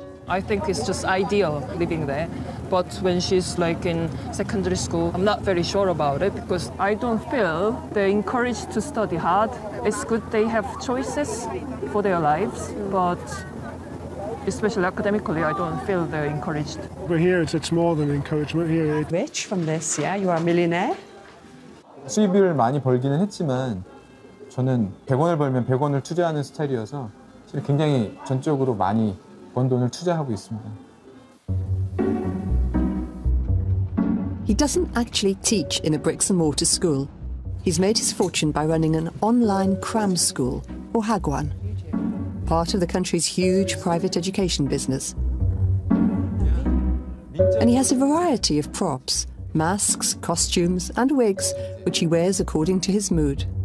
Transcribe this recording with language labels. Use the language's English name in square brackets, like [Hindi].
[English] I think it's just ideal living there, but when she's like in secondary school, I'm not very sure about it because I don't feel they're encouraged to study hard. It's good they have choices for their lives, but especially academically, I don't feel they're encouraged. But here it's more than encouragement here. Rich from this, yeah, you are a millionaire. [Korean] 수입을 많이 벌기는 했지만 저는 100원을 벌면 100원을 투자하는 스타일이어서 사실 굉장히 전적으로 많이 돈을 투자하고 있습니다. [English] He doesn't actually teach in a bricks and mortar school. He's made his fortune by running an online cram school, or Hagwon, part of the country's huge private education business. And he has a variety of props, masks, costumes, and wigs, which he wears according to his mood.